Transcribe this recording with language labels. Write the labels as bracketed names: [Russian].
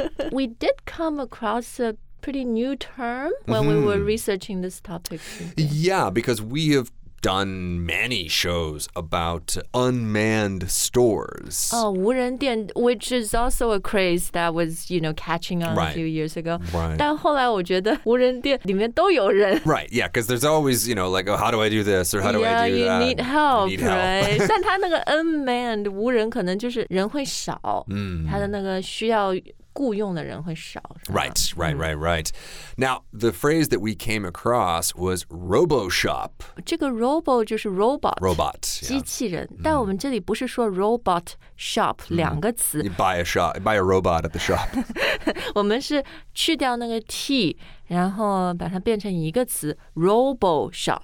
[English] We did come across a pretty new term when we were researching this topic. Yeah, because we have... done many shows about unmanned stores. Oh, 无人店 which is also a craze that was, you know, catching on right. a few years ago. Right. [Chinese] 但后来我觉得无人店里面都有人。 [English] Right, yeah, because there's always, you know, like, oh, how do I do this? Or how do yeah, I do that? Yeah, you need help, right? [Chinese] 但他那个 unmanned, 无人可能就是人会少。他的那个需要雇用的人会少。 [English] Right, right, right, right. Now, the phrase that we came across was RoboShop. [Chinese] 这个 Robo 就是 Robot. [English] Robot, [Chinese] 机器人。但我们这里不是说 Robot Shop, 两个词。 [English] You buy a robot at the shop. [Chinese] 我们是去掉那个 T, 然后把它变成一个词 RoboShop.